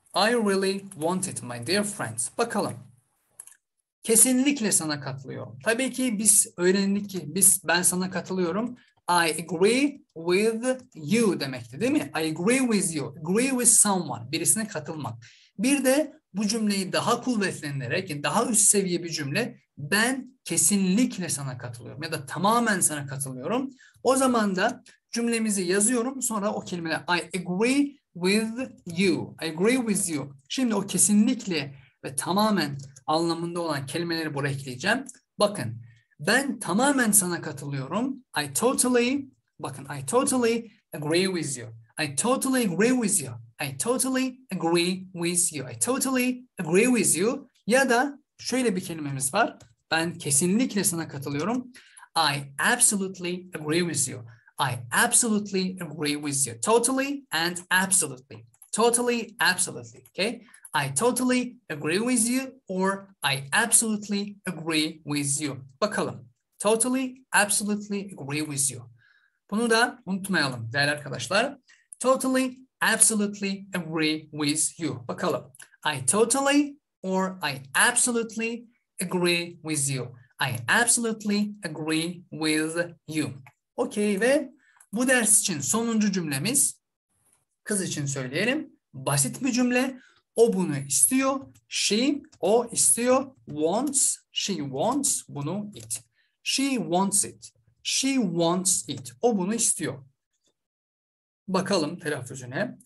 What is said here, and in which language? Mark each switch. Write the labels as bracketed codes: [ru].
[en] I really want it, my dear friends. [tr] Bakalım. Kesinlikle sana katılıyorum. Tabii ki biz öğrendik ki ben sana katılıyorum. [en] I agree with you [tr] demekti değil mi? [en] I agree with you. Agree with someone. [tr] Birisine katılmak. Bir de bu cümleyi daha kuvvetlendirerek, daha üst seviye bir cümle. Ben kesinlikle sana katılıyorum ya da tamamen sana katılıyorum. O zaman da cümlemizi yazıyorum. Sonra o kelimeyle [en] I agree with you. I agree with you. [tr] Şimdi o kesinlikle ve tamamen anlamında olan kelimeleri buraya ekleyeceğim. Bakın, ben tamamen sana katılıyorum. [en] I totally, [tr] bakın, [en] I totally agree with you. I totally agree with you. I totally agree with you. I totally agree with you. [tr] Ya da şöyle bir kelimemiz var. Ben kesinlikle sana katılıyorum. [en] I absolutely agree with you. I absolutely agree with you. Totally and absolutely. Totally, absolutely. Okay? I totally agree with you or I absolutely agree with you. [tr] Bakalım. [en] Totally, absolutely agree with you. [tr] Bunu da unutmayalım değerli arkadaşlar. [en] Totally, absolutely agree with you. [tr] Bakalım. [en] I totally or I absolutely agree with you. I absolutely agree with you. [tr] Okay, ve bu ders için sonuncu cümlemiz, kız için söyleyelim. Basit bir cümle. O bunu istiyor. She, o istiyor. [en] Wants, she wants [tr] bunu [en] it. She wants it. She wants it. [tr] O bunu istiyor. Bakalım telaffuzuna.